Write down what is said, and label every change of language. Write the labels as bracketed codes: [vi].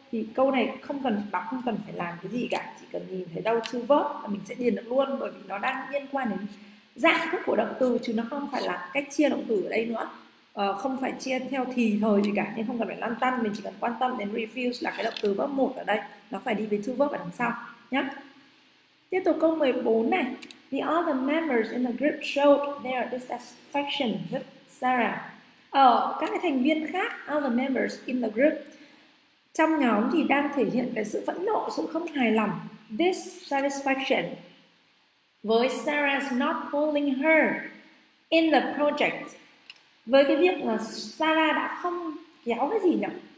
[vi] Thì câu này không cần, bạn không cần phải làm cái gì cả, chỉ cần nhìn thấy đâu to verb là mình sẽ điền được luôn, bởi vì nó đang liên quan đến dạng thức của động từ chứ nó không phải là cách chia động từ ở đây nữa. Không phải chia theo thì thời gì cả, nhưng không cần phải lăn tăn, mình chỉ cần quan tâm đến refuse là cái động từ verb 1 ở đây nó phải đi với to verb ở đằng sau nhé. Tiếp tục câu 14 này. [en] The other members in the group showed their dissatisfaction with Sarah. [vi] Các cái thành viên khác, [en] other members in the group, [vi] trong nhóm thì đang thể hiện cái sự phẫn nộ, sự không hài lòng, dissatisfaction với [en] Sarah's not pulling her in the project. [vi] Với cái việc là Sarah đã không kéo cái gì nhỉ?